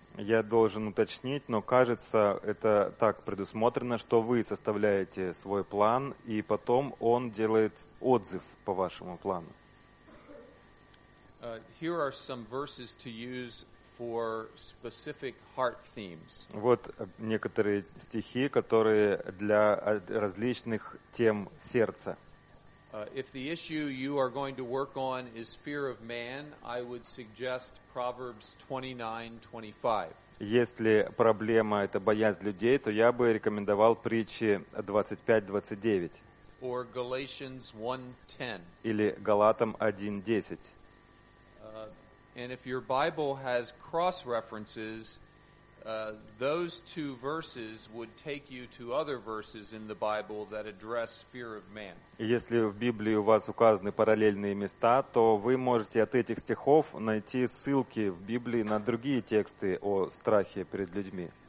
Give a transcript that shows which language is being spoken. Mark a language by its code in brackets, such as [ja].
[ru] Я должен уточнить, но кажется, это так предусмотрено, что вы составляете свой план, и потом он делает отзыв по вашему плану. [en] Here are some verses to use for specific heart themes. [ru] Вот некоторые стихи, которые для различных тем сердца. [en] If the issue you are going to work on is fear of man, I would suggest Proverbs 29:25. [ru] Если проблема это боязнь людей, то я бы рекомендовал притчи 25:29. [en] Or Galatians 1:10. [ru] Или Галатам 1:10. [en] And if your Bible has cross references, those two verses would take you to other verses in the Bible that address fear of man. [ru] Если в Библии у вас указаны параллельные места, то вы можете от этих стихов найти ссылки в Библии на другие тексты о страхе перед людьми.